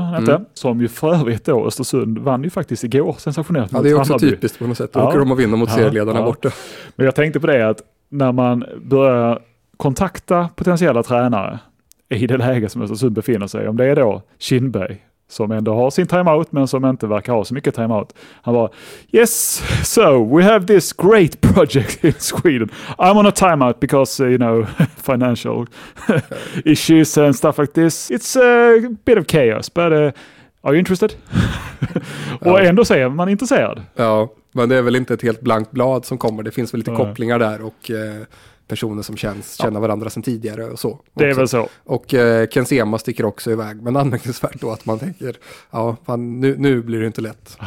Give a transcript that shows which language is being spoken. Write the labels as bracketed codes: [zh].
[sv] Hette, som ju för övrigt då Östersund vann ju faktiskt igår, sensationellt. Ja, det är också Hammarby. Typiskt på något sätt. Då åker de och vinner mot serieledarna borta. Men jag tänkte på det att när man börjar kontakta potentiella tränare i det läge som Östersund befinner sig, om det är då Kinberg som ändå har sin timeout men som inte verkar ha så mycket timeout. Han bara, [en] yes, so we have this great project in Sweden. I'm on a timeout because, you know, financial issues and stuff like this. It's a bit of chaos, but are you interested? [sv] Och ändå säger man intresserad. Ja, men det är väl inte ett helt blankt blad som kommer. Det finns väl lite kopplingar där och personer som känner varandra sedan tidigare och så. Det är väl så. Och Ken Sema sticker också iväg. Men anmärkningsvärt då att man tänker, ja, fan, nu blir det inte lätt.